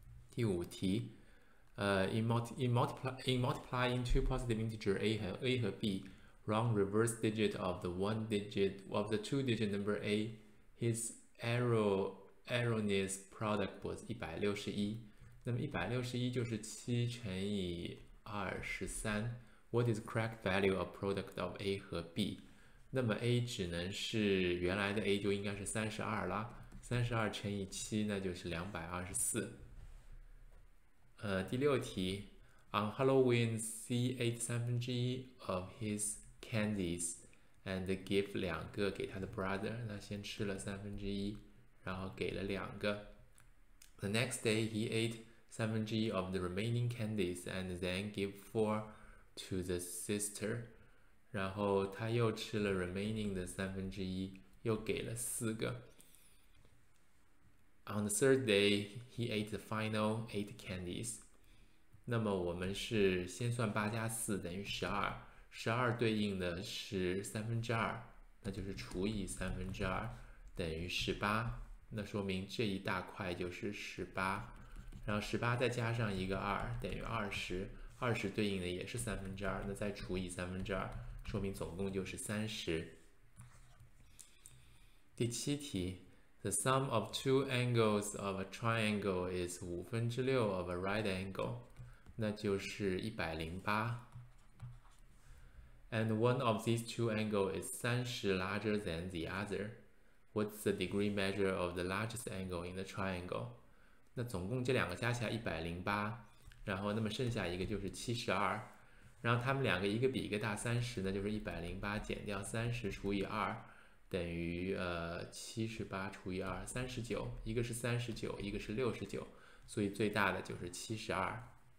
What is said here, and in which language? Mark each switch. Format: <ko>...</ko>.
<zh>第五题。</zh> <en>In multiplying two positive integer a 和 b, wrong reverse digit of the one digit of the two digit number a, his erroneous product was 161.</en> <zh>那么161就是7乘以23.</zh> <en>What is correct value of product of a 和 b?</en> <zh>那么 a 只能是原来的 a 就应该是32啦，32乘以7那就是224。第六题，</zh> <en>On Halloween, C ate 1/3 of his candies and gave 2</en> <zh>个给他的</zh> <en>brother。</en> <zh>他先吃了1/3，然后给了2个。</zh> <en>The next day, he ate 1/3 of the remaining candies and then gave 4 to the sister。</en> <zh>然后他又吃了 remaining 的1/3，又给了4个。</zh> <en>On the third day, he ate the final 8 candies。</en> <zh>那么我们是先算8+4等于12，12对应的是2/3，那就是除以2/3等于18，那说明这一大块就是18，然后18再加上一个2等于20，20对应的也是2/3，那再除以2/3，说明总共就是30。第七题。</zh> <en>The sum of two angles of a triangle is 5/6 of a right angle.</en> <zh>那就是108。</zh> <en>And one of these two angles is 30 larger than the other. What's the degree measure of the largest angle in the triangle?</en> <zh>那总共这两个加起来108，然后那么剩下一个就是72，然后他们两个一个比一个大30，那就是108减掉30除以2，等于78除以2，39，一个是39，一个是69，所以最大的就是72。</zh>